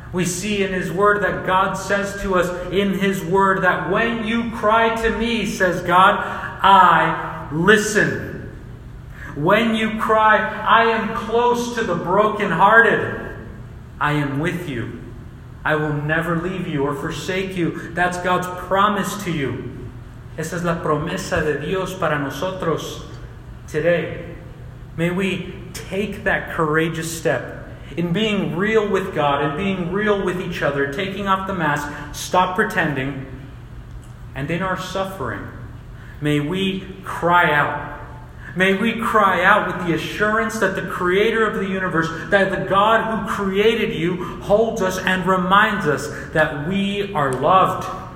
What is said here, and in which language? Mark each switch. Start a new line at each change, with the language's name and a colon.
English: We see in His Word that God says to us in His Word that when you cry to Me, says God, I listen. When you cry, I am close to the brokenhearted. I am with you. I will never leave you or forsake you. That's God's promise to you.
Spanish: Esa es la promesa de Dios para nosotros
English: today. May we take that courageous step in being real with God and being real with each other, taking off the mask, stop pretending, and in our suffering, may we cry out. May we cry out with the assurance that the Creator of the universe, that the God who created you, holds us and reminds us that we are loved.